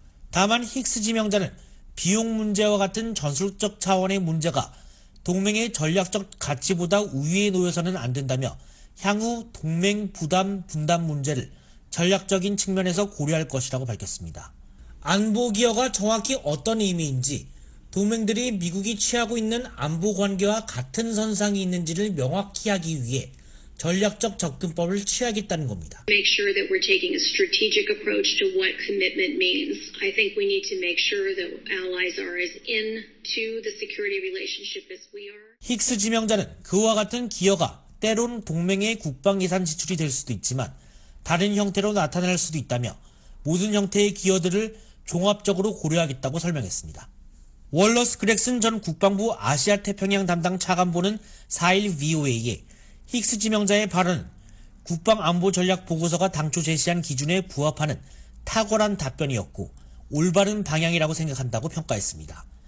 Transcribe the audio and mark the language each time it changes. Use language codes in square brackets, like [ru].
[ko] 다만 힉스 지명자는 비용 문제와 같은 전술적 차원의 문제가 동맹의 전략적 가치보다 우위에 놓여서는 안 된다며 향후 동맹 부담 분담 문제를 전략적인 측면에서 고려할 것이라고 밝혔습니다. 안보 기여가 정확히 어떤 의미인지 동맹들이 미국이 취하고 있는 안보 관계와 같은 선상이 있는지를 명확히 하기 위해 전략적 접근법을 취하겠다는 겁니다. [en] Make sure that we're taking a strategic approach to what commitment means. I think we need to make sure that allies are as into the security relationship as we are. [ko] 힉스 지명자는 그와 같은 기여가 때론 동맹의 국방 예산 지출이 될 수도 있지만 다른 형태로 나타날 수도 있다며 모든 형태의 기여들을 종합적으로 고려하겠다고 설명했습니다. 월러스 그렉슨 전 국방부 아시아 태평양 담당 차관보는 4일 VOA에 힉스 지명자의 발언은 국방 안보 전략 보고서가 당초 제시한 기준에 부합하는 탁월한 답변이었고 올바른 방향이라고 생각한다고 평가했습니다.